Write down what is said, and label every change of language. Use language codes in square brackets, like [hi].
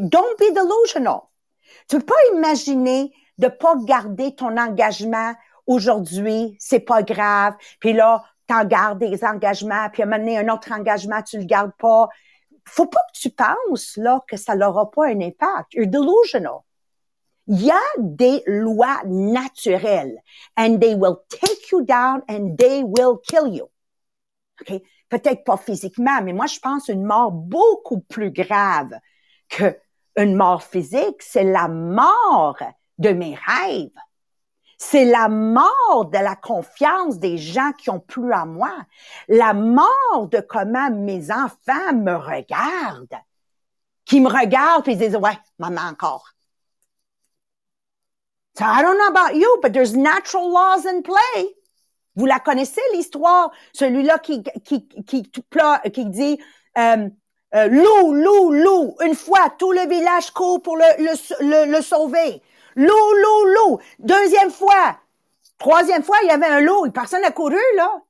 [en] Don't be delusional. [fr] Tu peux pas imaginer de pas garder ton engagement aujourd'hui, c'est pas grave. Puis là, t'en gardes des engagements, puis à un moment donné, un autre engagement, tu le gardes pas. Faut pas que tu penses là que ça n'aura pas un impact. [en] You're delusional. [fr] Il y a des lois naturelles, [en] and they will take you down and they will kill you. Okay? [fr] Peut-être pas physiquement, mais moi, je pense une mort beaucoup plus grave qu'une mort physique, c'est la mort de mes rêves. C'est la mort de la confiance des gens qui ont plu à moi. La mort de comment mes enfants me regardent. Qui me regardent et ils disent, ouais, maman encore. [en] So, I don't know about you, but there's natural laws in play. [fr] Vous la connaissez l'histoire, celui-là qui dit loup, une fois tout le village court pour le sauver. Loup, deuxième fois, troisième fois, il y avait un loup, personne n'a couru là.